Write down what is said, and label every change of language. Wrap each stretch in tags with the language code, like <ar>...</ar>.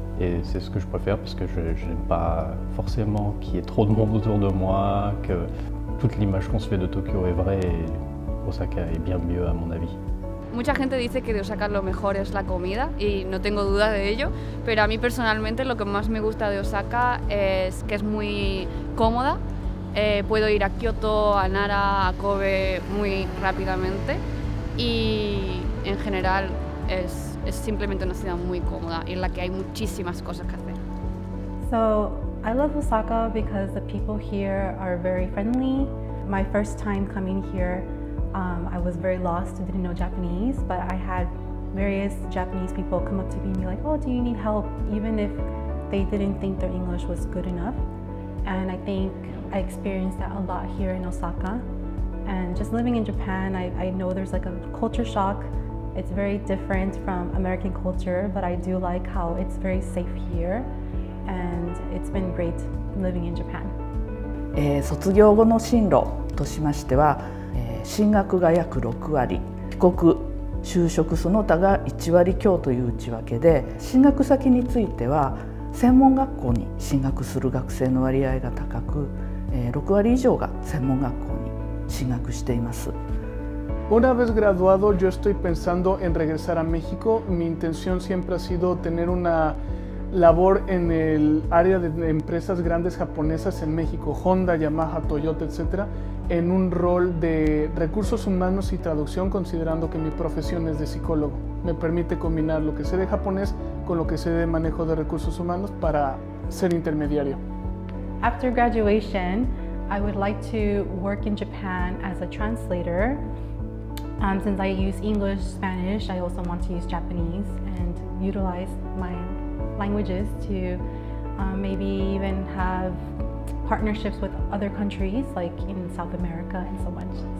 <fr>Et c'est ce que je préfère parce que je n'aime pas forcément qu'il y ait trop de monde autour de moi, que toute l'image qu'on se fait de Tokyo est vraie et Osaka est bien mieux à mon avis.</fr> <es>Mucha gente dice que de Osaka lo mejor es la comida y no tengo duda de ello, pero a mí personalmente lo que más me gusta de Osaka es que es muy cómoda. Puedo ir a Kyoto, a Nara, a Kobe muy rápidamente y en general es simplemente una ciudad muy cómoda y en la que hay muchísimas cosas que hacer.</es> <en>So, I love Osaka because the people here are very friendly. My first time coming here, I was very lost, didn't know Japanese, but I had various Japanese people come up to me and be like, oh, do you need help? Even if they didn't think their English was good enough. And I think I experienced that a lot here in Osaka. And just living in Japan, I know there's like a culture shock. It's very different from American culture, but I do like how it's very safe here. And it's been great living in Japan.</en> <ja>卒業後の進路としましては、進学が約6割、帰国、就職その他が1割強という内訳で、進学先については専門学校に進学する学生の割合が高く、6割以上が専門学校に進学しています。</ja> <es>Una vez graduado, yo estoy pensando en regresar a México. Mi intención siempre ha sido tener una labor en el área de empresas grandes japonesas en México, Honda, Yamaha, Toyota, etc. en un rol de recursos humanos y traducción, considerando que mi profesión es de psicólogo. Me permite combinar lo que sé de japonés con lo que sé de manejo de recursos humanos para ser intermediario.</es> <en>After graduation, I would like to work in Japan as a translator. Since I use English, Spanish, I also want to use Japanese and utilize my languages to maybe even have partnerships with other countries like in South America and so much.</en>